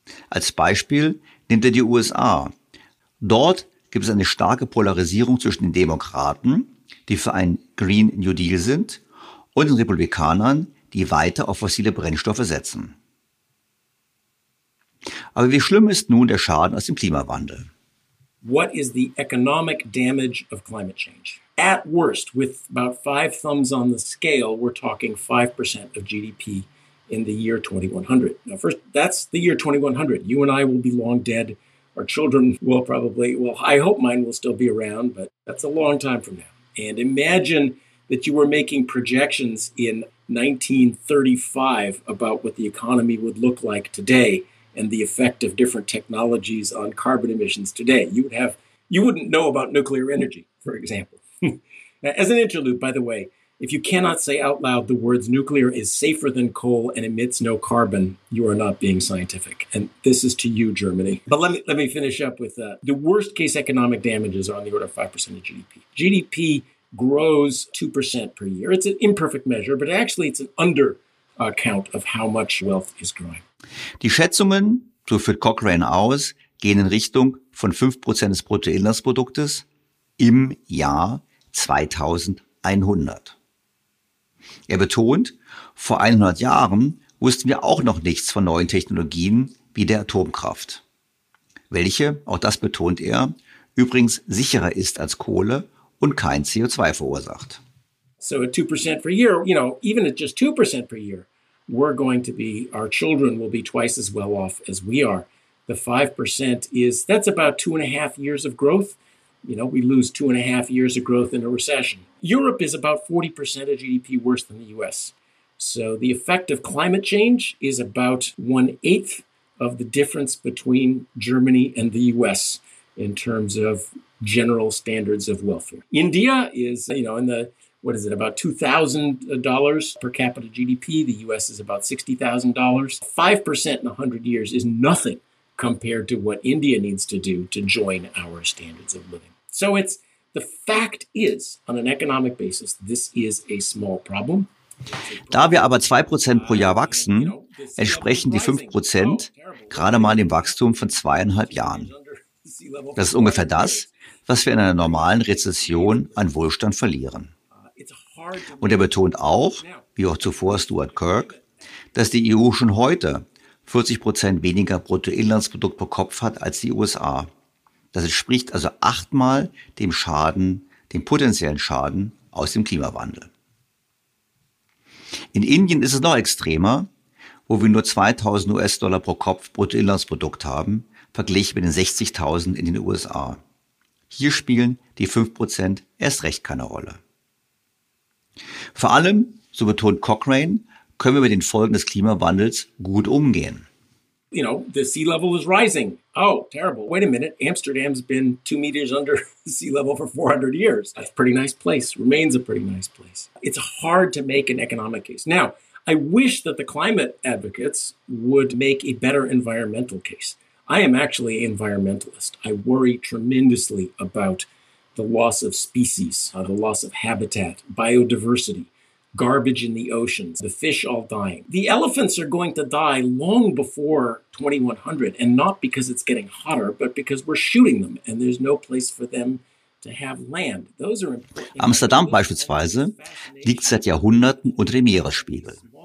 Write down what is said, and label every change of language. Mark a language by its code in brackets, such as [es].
[de] Als Beispiel nimmt er die USA. Dort gibt es eine starke Polarisierung zwischen den Demokraten, die für einen Green New Deal sind, und den Republikanern, die weiter auf fossile Brennstoffe setzen. Aber wie schlimm ist nun der Schaden aus dem Klimawandel? [en] What is the economic damage of climate change? At worst, with about five thumbs on the scale, we're talking 5% of GDP in the year 2100. Now, first, that's the year 2100. You and I will be long dead. Our children will probably, well, I hope mine will still be around, but that's a long time from now. And imagine that you were making projections in 1935 about what the economy would look like today and the effect of different technologies on carbon emissions today. You wouldn't know about nuclear energy, for example. As an interlude, by the way, if you cannot say out loud the words nuclear is safer than coal and emits no carbon, you are not being scientific. And this is to you, Germany. But let me finish up with the worst case economic damages are on the order of 5% of GDP. GDP grows 2% per year. It's an imperfect measure, but actually it's an undercount of how much wealth is growing. [de] Die Schätzungen, so führt Cochrane aus, gehen in Richtung von 5% des Bruttoinlandsproduktes im Jahr 2100. Er betont, vor 100 Jahren wussten wir auch noch nichts von neuen Technologien wie der Atomkraft, welche, auch das betont er, übrigens sicherer ist als Kohle und kein CO2 verursacht. [en] So at 2% per year, you know, even at just 2% per year, we're going to be, our children will be twice as well off as we are. The 5% is, that's about 2.5 years of growth. You know, we lose 2.5 years of growth in a recession. Europe is about 40% of GDP worse than the U.S. So the effect of climate change is about 1/8 of the difference between Germany and the U.S. in terms of general standards of welfare. India is, you know, in the, what is it, about $2,000 per capita GDP. The U.S. is about $60,000. 5% in 100 years is nothing compared to what India needs to do to join our standards of living. So it's, the fact is, on an economic basis, this is a small problem. [de] Da wir aber 2% pro Jahr wachsen, entsprechen die 5% gerade mal dem Wachstum von 2,5 Jahren. Das ist ungefähr das, was wir in einer normalen Rezession an Wohlstand verlieren. Und er betont auch, wie auch zuvor Stuart Kirk, dass die EU schon heute 40% weniger Bruttoinlandsprodukt pro Kopf hat als die USA. Das entspricht also 8-mal dem Schaden, dem potenziellen Schaden aus dem Klimawandel. In Indien ist es noch extremer, wo wir nur 2.000 US-Dollar pro Kopf Bruttoinlandsprodukt haben, verglichen mit den 60.000 in den USA. Hier spielen die 5% erst recht keine Rolle. Vor allem, so betont Cochrane, können wir mit den Folgen des Klimawandels gut umgehen. [en] You know, the sea level is rising. Oh, terrible. Wait a minute. Amsterdam's been 2 meters under sea level for 400 years. That's a pretty nice place. Remains a pretty nice place. It's hard to make an economic case. Now, I wish that the climate advocates would make a better environmental case. I am actually an environmentalist. I worry tremendously about the loss of species, the loss of habitat, biodiversity, garbage in the oceans, the fish all dying. The elephants are going to die long before 2100, and not because it's getting hotter, but because we're shooting them and there's no place for them to have land. Those are important. [de] Amsterdam beispielsweise liegt seit Jahrhunderten unter dem Meeresspiegel.